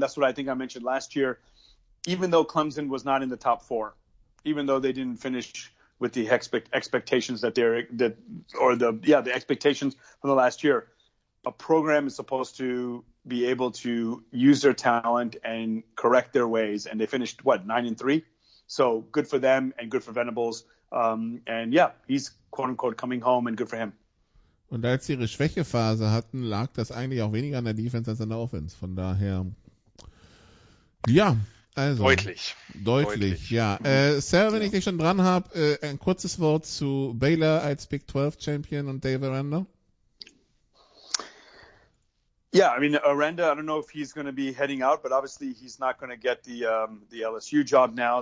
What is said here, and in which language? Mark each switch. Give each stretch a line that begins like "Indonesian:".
English: That's what I think I mentioned last year. Even though Clemson was not in the top four, even though they didn't finish with the expectations that they're – that or the, yeah, the expectations from the last year, a program is supposed to be able to use their talent and correct their ways. And they finished, what, 9-3? So good for them and good for Venables. And yeah, he's quote unquote coming home and good for him.
German: Und als sie ihre Schwächephase hatten, lag das eigentlich auch weniger an der Defense als an der Offense. Von daher, ja, also. Deutlich. Ja. Sarah, wenn ich dich schon dran habe, ein kurzes Wort zu Baylor als Big 12 Champion und Dave Aranda.
English: Yeah, I mean, Aranda, I don't know if he's going to be heading out, but obviously he's not going to get the LSU job now.